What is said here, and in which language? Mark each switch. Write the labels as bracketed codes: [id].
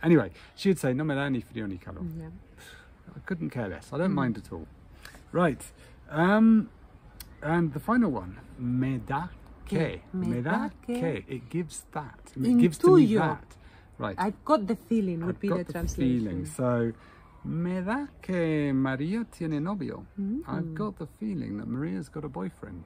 [en] Anyway, she'd say, [es] no me da ni frío ni calor. [en] Yeah. I couldn't care less. I don't mind at all. Right, and the final one, [es] me da que. Me da que. [en] It gives that. It gives to me that. Right. I've got the feeling would be the translation. I've got the feeling. [es] So, me da que María tiene novio. Mm-hmm. [en] I've got the feeling that María's got a boyfriend.